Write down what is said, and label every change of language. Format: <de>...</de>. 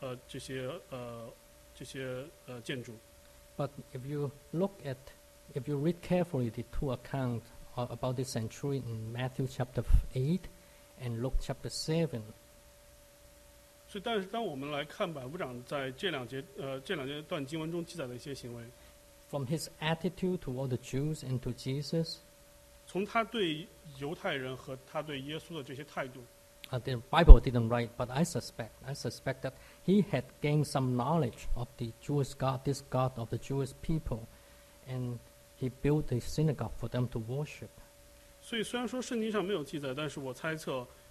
<zh>所以在当时，在耶稣出生的那个时候，有一个这样一个很大的王叫大希律，他就建造了很多这样犹太人的会堂，以及他们自己的这些异教的这些建筑。</zh> <en>But if you look at, if you read carefully the two accounts about the centurion in Matthew chapter 8 and Luke chapter 7.</en> <zh>所以，但是当我们来看百夫长在这两节段经文中记载的一些行为，</zh> <en>from his attitude toward the Jews and to Jesus,</en> <zh>从他对犹太人和他对耶稣的这些态度，</zh> <en>the Bible didn't write, but I suspect that he had gained some knowledge of the Jewish God, this God of the Jewish people, and he built a synagogue for them to worship.</en> <zh>所以虽然说圣经上没有记载，但是我猜测。</zh>